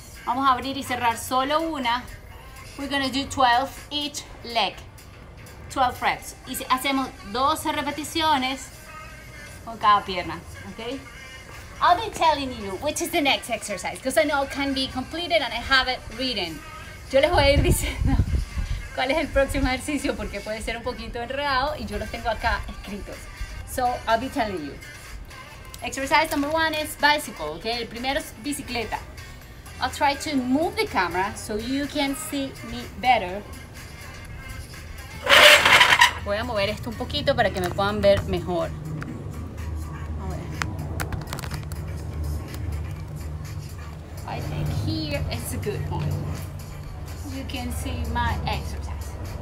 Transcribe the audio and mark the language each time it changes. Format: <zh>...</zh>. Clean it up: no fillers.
<es>Vamos a abrir y cerrar solo una.</es> <en>We're gonna do 12 each leg. 12 reps.</en> <es>Y hacemos 12 repeticiones con cada pierna. Okay?</es> <en>I'll be telling you which is the next exercise because I know it can be completed and I have it written.</en> <es>Yo les voy a ir diciendo cuál es el próximo ejercicio porque puede ser un poquito enredado y yo los tengo acá escritos.</es> <en>So I'll be telling you. Exercise number one is bicycle, okay?</en> <es>El primero es bicicleta.</es> <en>I'll try to move the camera so you can see me better.</en> <es>Voy a mover esto un poquito para que me puedan ver mejor.</es> <en>I think here is a good one. You can see my exercise.</en>